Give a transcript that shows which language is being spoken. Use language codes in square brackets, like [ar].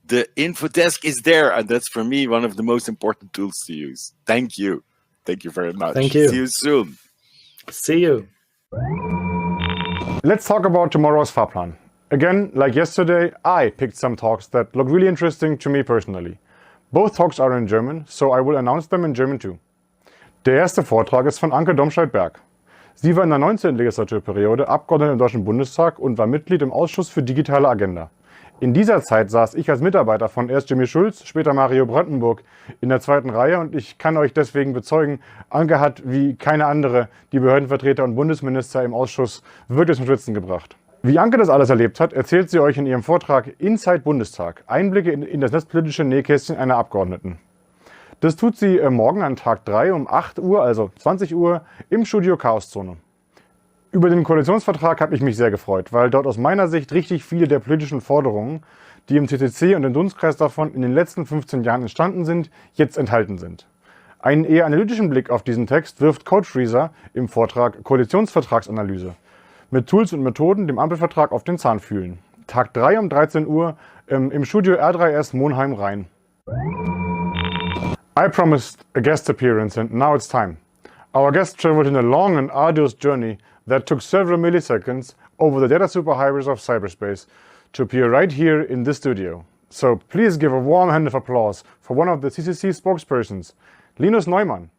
[en] The info desk is there, and that's for me one of the most important tools to use. Thank you. Thank you very much. Thank you. See you soon. See you. Let's talk about tomorrow's Fahrplan. Again, like yesterday, I picked some talks that look really interesting to me personally. Both talks are in German, so I will announce them in German too. [de] Der erste Vortrag ist von Anke Domscheit-Berg. Sie war in der 19. Legislaturperiode Abgeordnete im Deutschen Bundestag und war Mitglied im Ausschuss für Digitale Agenda. In dieser Zeit saß ich als Mitarbeiter von erst Jimmy Schulz, später Mario Brandenburg in der zweiten Reihe und ich kann euch deswegen bezeugen, Anke hat wie keine andere die Behördenvertreter und Bundesminister im Ausschuss wirklich zum Schwitzen gebracht. Wie Anke das alles erlebt hat, erzählt sie euch in ihrem Vortrag Inside Bundestag, Einblicke in das netzpolitische Nähkästchen einer Abgeordneten. Das tut sie morgen an Tag 3 um 8 Uhr, also 20 Uhr, im Studio Chaoszone. Über den Koalitionsvertrag habe ich mich sehr gefreut, weil dort aus meiner Sicht richtig viele der politischen Forderungen, die im CCC und im Dunstkreis davon in den letzten 15 Jahren entstanden sind, jetzt enthalten sind. Einen eher analytischen Blick auf diesen Text wirft Coach Rieser im Vortrag Koalitionsvertragsanalyse. Mit Tools und Methoden dem Ampelvertrag auf den Zahn fühlen. Tag 3 um 13 Uhr im Studio R3S Monheim Rhein. [en] I promised a guest appearance and now it's time. Our guest traveled in a long and arduous journey that took several milliseconds over the data superhighways of cyberspace to appear right here in this studio. So please give a warm hand of applause for one of the CCC spokespersons, Linus Neumann.